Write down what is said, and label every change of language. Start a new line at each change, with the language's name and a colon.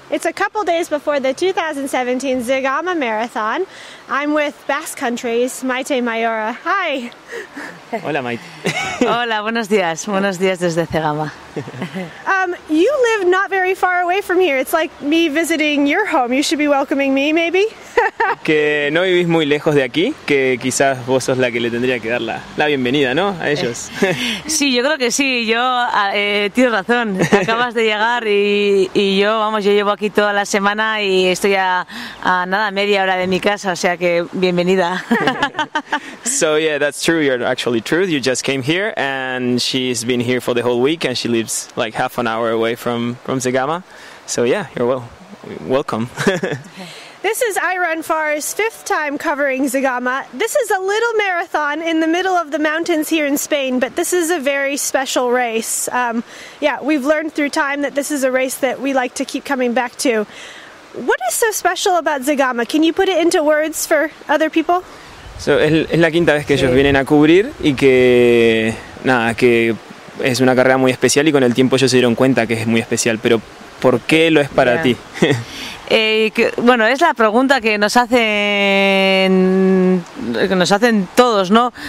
English: It's a couple days before the 2017 Zegama Marathon. I'm with Basque Country's Maite Maiora. Hi.
Spanish: Hola, Maite. Hola, buenos días. Buenos días desde Zegama.
English: You live not very far away from here. It's like me visiting your home. You should be welcoming me, maybe.
Spanish: Que no vivís muy lejos de aquí, que quizás vos sos la que le tendría que dar la bienvenida, ¿no? A ellos. Sí, yo creo que sí. Tienes razón. Acabas de llegar y yo llevo aquí toda la semana y estoy a nada, media hora de mi casa, o sea que bienvenida.
English: So yeah, that's true. You're actually true. You just came here and she's been here for the whole week and she lives like half an hour away from Zegama. So yeah, you're welcome. This is I Run Far's fifth time covering Zegama. This is a little marathon in the middle of the mountains here in Spain, but this is a very special race. We've learned through time that this is a race that we like to keep coming back to. What is so special about Zegama? Can you put it into words for other people?
Spanish: So, es la quinta vez que ellos vienen a cubrir y que, nada, que es una carrera muy especial y con el tiempo ellos se dieron cuenta que es muy especial, pero ¿por qué lo es para ti? Es la pregunta que nos hacen todos, ¿no?